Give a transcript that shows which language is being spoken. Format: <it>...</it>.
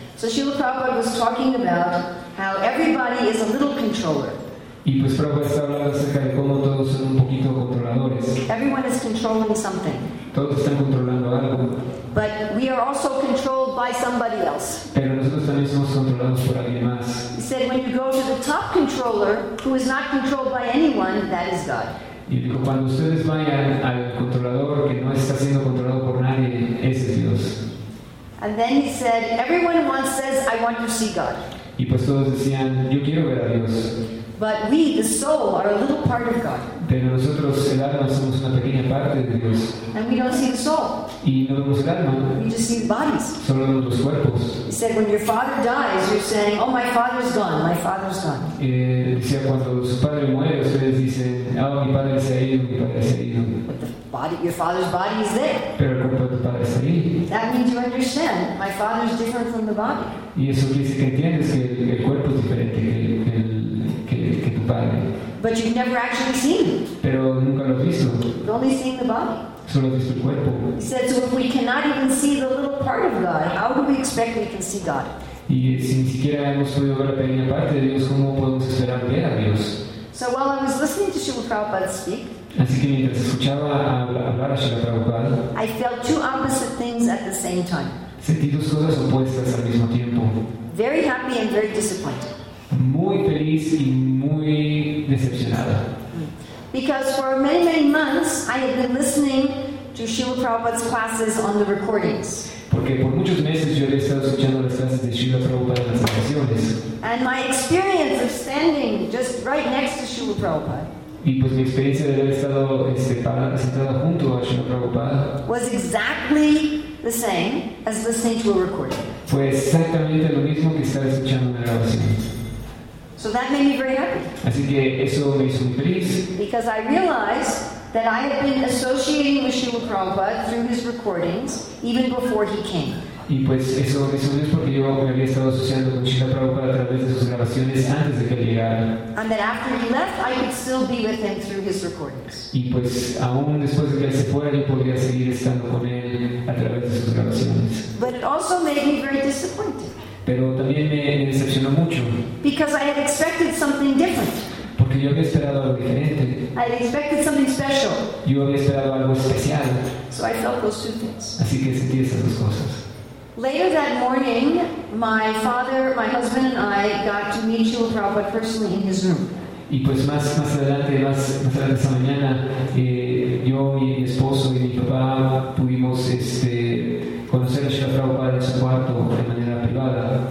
<en>So Srila Prabhupada was talking about how everybody is a little controller.</en> <es>Y pues Prabhupada está hablando acerca de cómo todos son un poquito controladores.</es> <en>Everyone is controlling something.</en> <es>Todos están controlando algo.</es> <en>But we are also controlled by somebody else.</en> <es>Pero nosotros también somos controlados por alguien más.</es> <en>He said when you go to the top controller, who is not controlled by anyone, that is God.</en> <es>Y dijo, cuando ustedes vayan al controlador que no está siendo controlado por nadie, ese es Dios.</es> <en>And then he said, everyone once says, I want to see God.</en> <es>Y pues todos decían, yo quiero ver a Dios.</es> <en>But we, the soul, are a little part of God.</en> <es>Pero nosotros, el alma, somos una pequeña parte de Dios.</es> <en>And we don't see the soul.</en> <es>Y no vemos el alma.</es> <en>We just see the bodies.</en> <es>Solo vemos los cuerpos.</es> <en>He said, when your father dies, you're saying, oh, my father's gone, my father's gone.</en> <es>Decía, cuando su padre muere, ustedes dicen, oh, mi padre se ha ido, mi padre se ha ido.</es> <en>But the body, your father's body is there.</en> <es>Pero el cuerpo de tu padre está ahí.</es> <en>That means you understand my father is different from the body.</en> <es>Y eso quiere decir que entiendes que el cuerpo es diferente que tu padre.</es> <en>But you've never actually seen it.</en> <es>Pero nunca lo has visto.</es> <en>You've only seen the body.</en> <es>Solo has visto el cuerpo.</es> <en>He said, so if we cannot even see the little part of God, how do we expect we can see God?</en> <es>Y si ni siquiera hemos podido ver la pequeña parte de Dios, ¿cómo podemos esperar ver a Dios?</es> <en>So while I was listening to Srila Prabhupada speak,</en> <es>así que mientras escuchaba hablar a Srila Prabhupada,</es> <en>I felt two opposite things at the same time.</en> <es>Sentí dos cosas opuestas al mismo tiempo.</es> <en>Very happy and very disappointed.</en> <es>Muy feliz y muy decepcionada.</es> <en>Because for many, many months I had been listening to Srila Prabhupada's classes on the recordings.</en> <es>Porque por muchos meses yo había estado escuchando las clases de Srila Prabhupada en las grabaciones.</es> <en>And my experience of standing just right next to Srila Prabhupada.</en> <es>Y pues mi experiencia de haber estado sentado junto a Srila Prabhupada</es> <en>was exactly the same as listening to a recording.</en> <es>Fue exactamente lo mismo que estar escuchando una grabación.</es> <en>So that made me very happy.</en> <es>Así que eso me hizo muy feliz.</es> <en>Because I realized that I had been associating with Srila Prabhupada through his recordings even before he came.</en> <es>Y pues eso me hizo feliz porque yo me había estado asociando con Srila Prabhupada a través de sus grabaciones antes de que él llegara.</es> <en>And that after he left, I could still be with him through his recordings.</en> <es>Y pues aún después de que él se fuera, yo podría seguir estando con él a través de sus grabaciones.</es> <en>But it also made me very disappointed.</en> <es>Pero también me decepcionó mucho.</es> <en>Because I had expected something different.</en> <es>Porque yo había esperado algo diferente.</es> <en>I had expected something special.</en> <es>Yo había esperado algo especial.</es> <en>So I felt those two things.</en> <es>Así que sentí esas dos cosas.</es> <en>Later that morning, my father, my husband, and I got to meet Srila Prabhupada personally in his room.</en> <es>Y pues más adelante esa mañana, yo, mi esposo y mi papá pudimos conocer a Srila Prabhupada en su cuarto de manera privada.</es>